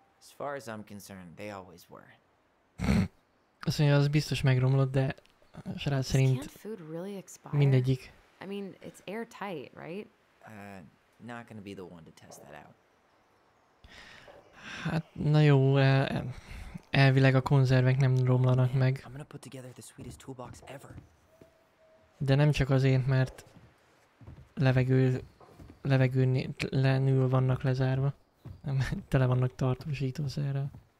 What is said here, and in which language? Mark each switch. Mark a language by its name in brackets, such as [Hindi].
[English] As far as I'm concerned, they always were. [Hungarian] Azt mondja, az biztos megromlott, de srác szerint mindegyik. [English] I mean, it's airtight, right? Not gonna be the one to test that out. [Hungarian] Hát, na jó, elvileg a konzervek nem romlanak meg. [English] I'm gonna put together the sweetest toolbox ever. [Hungarian] De nem csak azért, mert levegőtlenül vannak lezárva. Nem, tele vannak tartósítószerrel.